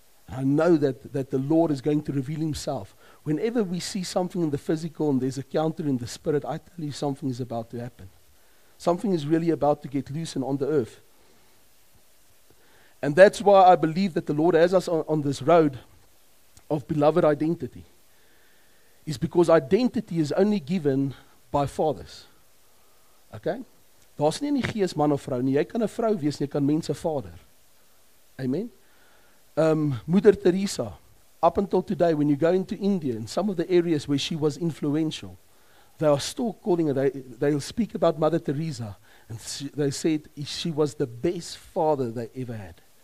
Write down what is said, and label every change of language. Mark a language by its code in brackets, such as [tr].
[en] And I know that the Lord is going to reveal Himself. Whenever we see something in the physical and there's a counter in the spirit, I tell you something is about to happen. Something is really about to get loose and on the earth. And that's why I believe that the Lord has us on this road of beloved identity. It's because identity is only given by fathers. Okay? [af] Daar's nie in die gees man of vrou nie. Jy kan 'n vrou wees en jy kan mense vader. Amen? [en] Moeder Teresa, up until today, when you go into India, in some of the areas where she was influential, they are still calling her, they'll speak about Mother Teresa, and they said she was the best father they ever had.